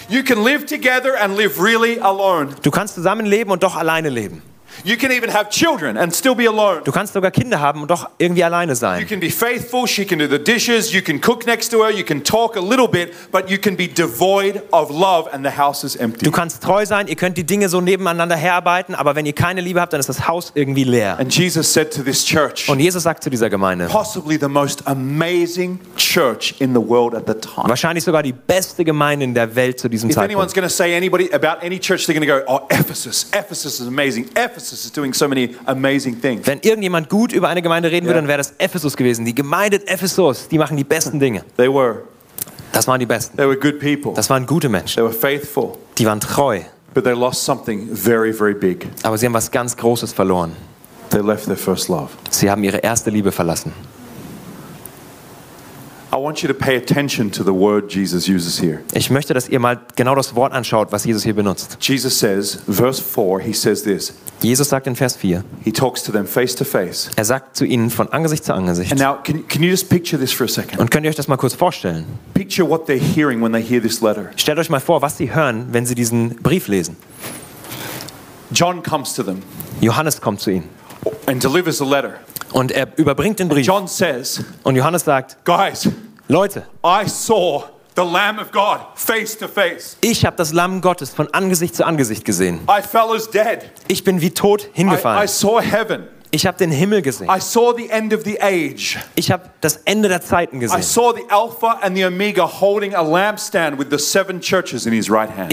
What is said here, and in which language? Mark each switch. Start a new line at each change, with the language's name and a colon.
English: You can live together and live really alone.
German: Du kannst zusammenleben und doch alleine leben.
English: You can even have children and still be alone.
German: Du kannst sogar Kinder haben und doch irgendwie alleine sein.
English: You can be faithful, she can do the dishes, you can cook next to her, you can talk a little bit, but you can be devoid of love and the house is empty.
German: Du kannst treu sein, ihr könnt die Dinge so nebeneinander herarbeiten, aber wenn ihr keine Liebe habt, dann ist das Haus irgendwie leer.
English: And Jesus said to this church.
German: Und Jesus sagt zu dieser Gemeinde.
English: Possibly the most amazing church in the world at the time.
German: Wahrscheinlich sogar die beste Gemeinde in der Welt zu diesem Zeitpunkt.
English: If anyone's going to say anybody about any church, they're going to go, "Oh, Ephesus. Ephesus is amazing. Ephesus is doing so many amazing things."
German: Wenn irgendjemand gut über eine Gemeinde reden würde, dann wäre das Ephesus gewesen. Die Gemeinde Ephesus, die machen die besten Dinge.
English: They were.
German: Das waren die besten.
English: They were good people.
German: Das waren gute Menschen.
English: They were faithful.
German: Die waren treu.
English: But they lost something very, very big.
German: Aber sie haben was ganz Großes verloren.
English: They left their first love.
German: Sie haben ihre erste Liebe verlassen.
English: I want you to pay attention to the word Jesus uses here.
German: Ich möchte, dass ihr mal genau das Wort anschaut, was Jesus hier benutzt.
English: Jesus says, verse 4, he says this.
German: Jesus sagt in Vers 4.
English: He talks to them face to face.
German: Er sagt zu ihnen von Angesicht zu Angesicht.
English: And now, can you just picture this for a second?
German: Und könnt ihr euch das mal kurz vorstellen?
English: Picture what they're hearing when they hear this letter.
German: Stellt euch mal vor, was sie hören, wenn sie diesen Brief lesen.
English: John comes to them.
German: Johannes kommt zu ihnen.
English: And delivers the letter.
German: Und er überbringt den Brief.
English: And John says,
German: und Johannes sagt,
English: guys,
German: Leute,
English: I saw the Lamb of God face to face.
German: Ich habe das Lamm Gottes von Angesicht zu Angesicht gesehen.
English: I fell as dead.
German: Ich bin wie tot hingefallen.
English: I saw heaven.
German: Ich habe den Himmel gesehen.
English: I saw the end of the age.
German: Ich habe das Ende der Zeiten gesehen.
English: I saw the Alpha and the Omega holding a lampstand with the seven churches in his right hand.